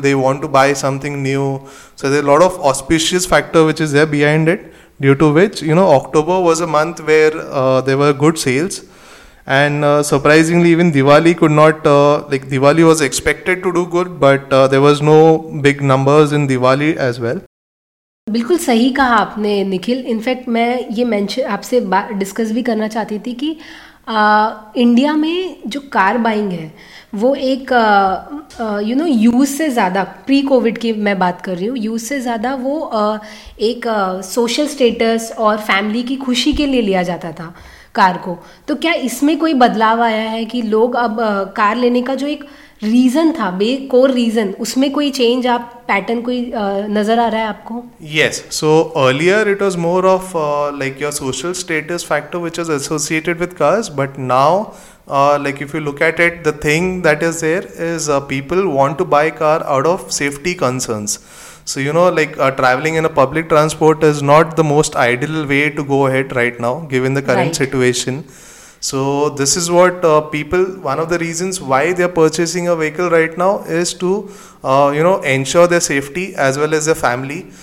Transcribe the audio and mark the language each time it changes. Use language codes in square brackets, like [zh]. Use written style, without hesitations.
[en] They want to buy something new. So there's a lot of auspicious factor which is there behind it, due to which, October was a month where there were good sales. And surprisingly, even Diwali could not, Diwali was expected to do good, but there was no big numbers in Diwali as well. [hi] बिल्कुल सही कहा आपने Nikhil. In fact मैं ये mention आपसे discuss भी करना चाहती थी कि इंडिया में जो कार बाइंग है वो एक यूज से ज़्यादा, प्री कोविड की मैं बात कर रही हूँ, यूज से ज़्यादा वो एक सोशल स्टेटस और फैमिली की खुशी के लिए लिया जाता था कार को. तो क्या इसमें कोई बदलाव आया है कि लोग अब कार लेने का जो एक रीजन था, बे कोर रीजन, उसमें कोई चेंज आप पैटर्न कोई नजर आ रहा है आपको? [en] Yes, so earlier it was more of like your social status factor which is associated with cars, but now like if you look at it the thing that is there is people want to buy car out of safety concerns. So, you know, like traveling in a public transport is not the most ideal way to go ahead right now, given the current situation. So, this is what one of the reasons why they are purchasing a vehicle right now is to, you know, ensure their safety as well as their family.